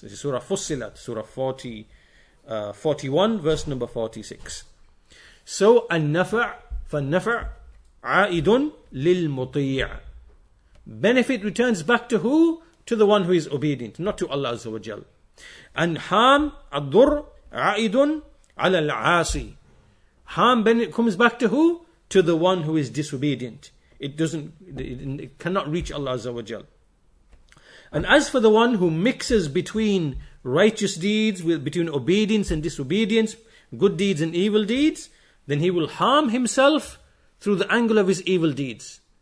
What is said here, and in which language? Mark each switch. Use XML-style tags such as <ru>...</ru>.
<en>This is Surah Fussilat, Surah 41, verse number 46.</en> <ar>So, النَّفَعْ فَالنَّفَعْ عَائِدٌ لِلْمُطِيعِ.</ar> <en>Benefit returns back to who? To the one who is obedient, not to Allah Azza wa Jal. And harm,</en> <ar>الضر, عَائِدٌ عَلَى الْعَاسِي.</ar> <en>Harm comes back to who? To the one who is disobedient. It cannot reach Allah Azza wa Jal. And as for the one who mixes between righteous deeds, between obedience and disobedience, good deeds and evil deeds, then he will harm himself through the angle of his evil deeds.</en>